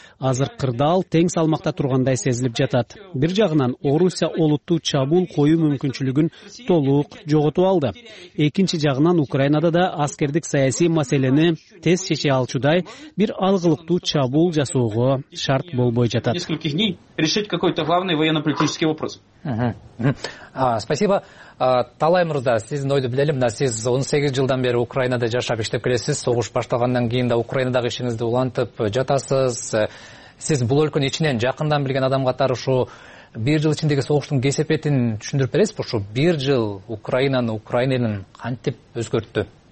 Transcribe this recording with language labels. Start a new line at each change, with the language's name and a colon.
Kyrgyz: Азыр кырдаал тең салмакта тургандай сезилип жатат. Бир жагынан Орусия олуттуу чабуул коюу мүмкүнчүлүгүн толук жоготуп алды. Экинчи жагынан Украинада да аскердик саясий маселени тез чече алчудай бир алгылыктуу чабуул жасоого шарт болбой жатат.
Russian: Нескольких дней решить какой-то главный военно-политический вопрос.
Kyrgyz: Спасибо. Талай мырза, сиздин ойду билели. Мына сиз 18 жылдан бери Украинада жашап иштеп келесиз. Согуш башталгандан кийин да Украинадагы ишиңизди улантып жатасыз. Сиз бул өлкөнүн ичинен жакындан билген адам катары ушу бир жыл ичиндеги согуштун кесепетин түшүндүрүп бересизби? Ушу бир жыл Украинаны, Украина элин кантип өзгөрттү?